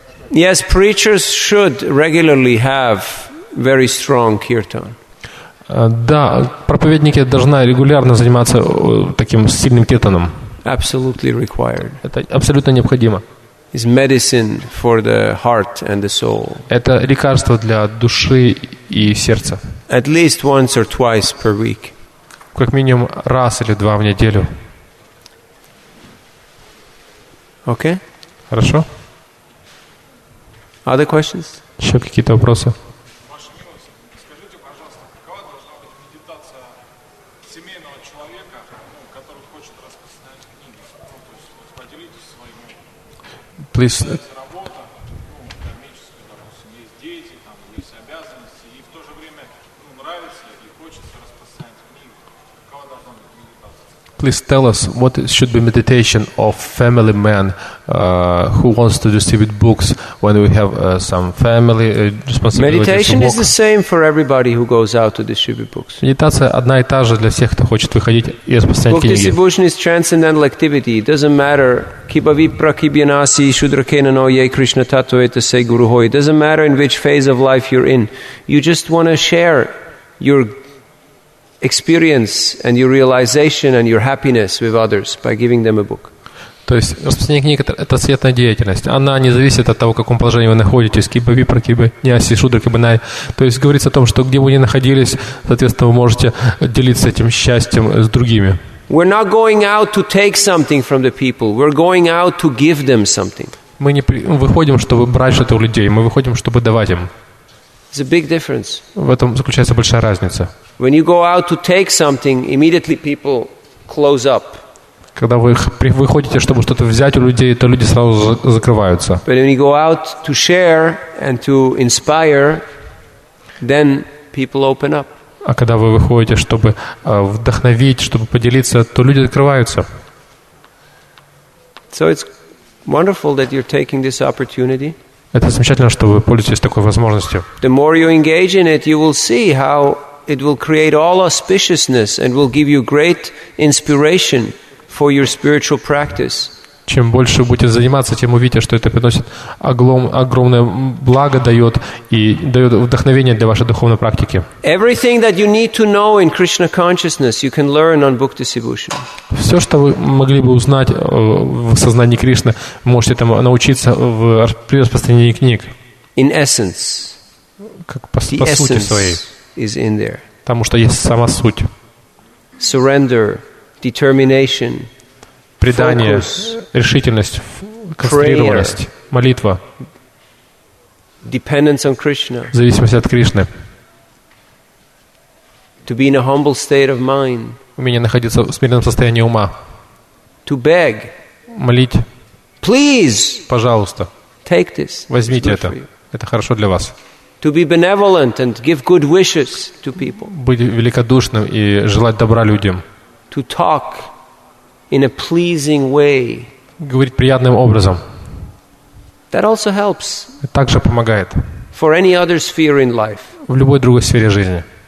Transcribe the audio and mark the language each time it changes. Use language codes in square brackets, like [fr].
[en] Yes, preachers should regularly have very strong kirtan. [ru] Да, проповедники должны регулярно заниматься таким сильным киртаном. [en] Absolutely required. [ru] Это абсолютно необходимо. [en] It's medicine for the heart and the soul. [ru] Это лекарство для души и сердца. [en] At least once or twice per week. [ru] Как минимум раз или два в неделю. [en] Okay. [ru] Хорошо. [en] Other questions? [ru] Еще какие-то вопросы? Ваша милость, скажите, пожалуйста, какова должна быть медитация семейного человека, ну, который хочет распространять книги? Ну, то есть, поделитесь своим опытом. [en] Please. [ru] Есть работа, ну, коммерческая, допустим, есть дети, там, есть обязанности, и в то же время, ну, нравится и хочется распространять книги. Какова должна быть медитация? [en] Please tell us, what should be meditation of family man, who wants to distribute books when we have some family responsibility? Meditation is the same for everybody who goes out to distribute books. [ru] Медитация одна и та же для всех, кто хочет выходить и распространять книги. [en] Book distribution is transcendental activity. It doesn't matter. [sa] Kibavipra, kibyanasi, shudrakenano, ye Krishna tatoeta se guruho. [en] It doesn't matter in which phase of life you're in. You just want to share your experience and your realization and your happiness with others by giving them a book. [ru] То есть распространение книг – это светная деятельность. Она не зависит от того, в каком положении вы находитесь. [sa] Киба випра, киба няси, шудра, киба най. [ru] То есть говорится о том, что где бы вы ни находились, соответственно, вы можете делиться этим счастьем с другими. [en] We're not going out to take something from the people. We're going out to give them something. [ru] Мы не выходим, чтобы брать что-то у людей. Мы выходим, чтобы давать им. [en] It's a big difference. [ru] В этом заключается большая разница. [en] When you go out to take something, immediately people close up. [ru] Когда вы выходите, чтобы что-то взять у людей, то люди сразу закрываются. [en] But when you go out to share and to inspire, then people open up. [ru] А когда вы выходите, чтобы вдохновить, чтобы поделиться, то люди открываются. [en] So it's wonderful that you're taking this opportunity. [ru] Это замечательно, что вы пользуетесь такой возможностью. [en] The more you engage in it, you will see how it will create all auspiciousness and will give you great inspiration for your spiritual practice. [ru] Чем больше вы будете заниматься, тем увидите, что это приносит огромное благо дает и дает вдохновение для вашей духовной практики. [en] Everything that you need to know in Krishna consciousness, you can learn on book distribution. [ru] Все, что вы могли бы узнать в сознании Кришны, можете там научиться в распространении книг. [en] In essence. [ru] Как по сути своей. [en] Is in there. [ru] Потому что есть сама суть. [en] Surrender. Determination, [ru] предание, [en] focus, [ru] решительность, концентрированность, [en] prayer, [ru] молитва, [en] dependence on Krishna, [ru] зависимость от Кришны. [en] To be in a humble state of mind. [ru] Умение находиться в смиренном состоянии ума. [en] To beg. [ru] Молить. [en] Please. [ru] Пожалуйста. [en] Take this. [ru] Возьмите это. Это хорошо для вас. [en] To be benevolent and give good wishes to people. [ru] Быть великодушным и желать добра людям. [en] To talk in a pleasing way. [ru] Говорить приятным образом. [en] That also helps. [ru] Это также помогает. [en] For any other sphere in life. [ru] В любой другой сфере жизни.